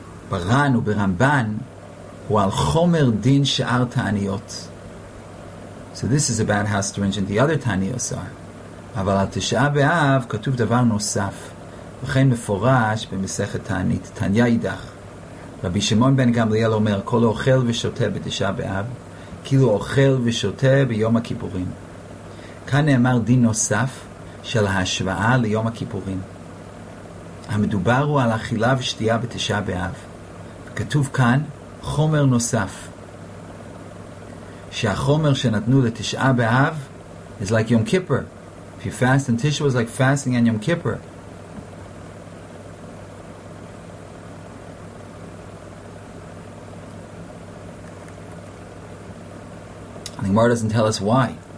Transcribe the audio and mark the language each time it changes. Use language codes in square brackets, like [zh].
[he] בר"ן וברמב"ן הוא על חומר דין שאר תעניות. [en] So this is about how stringent the other תעניות are. [he] אבל על תשעה באב כתוב דבר נוסף, וכן מפורש במסכת תענית, תניא אידך. רבי שמעון בן גמליאל אומר, כל אוכל ושותה בתשעה באב, כאילו אוכל ושותה ביום הכיפורים. כאן נאמר דין נוסף של ההשוואה ליום הכיפורים. המדובר הוא על אכילה ושתייה בתשעה באב. כתוב כאן חומר נוסף, שהחומר שנתנו לתשעה באב [en] is like Yom Kippur. If you fast in Tisha, it's like fasting on Yom Kippur. And the Gemara doesn't tell us why.